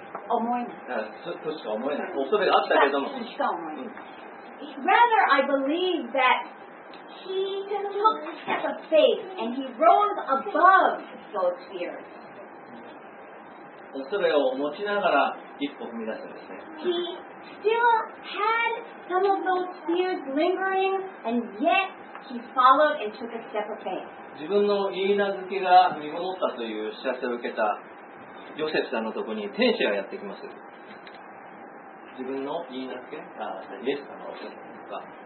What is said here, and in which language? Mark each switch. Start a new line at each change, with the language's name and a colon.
Japanese: 思えない。としか思えない。恐れがあったけども。しか思えない。
English: Rather, I believe that he took a step of faith and he rose above those fears.
Japanese: 恐れを持ちながら一歩踏み出すんですね。
English: He still had some of those fears lingering, and yet he followed and took a step of faith.
Japanese: 自分の言い名付けが実ったという知らせを受けたヨセフさんのところに天使がやってきます。自分の言い名付け、イエス様のお父さんが。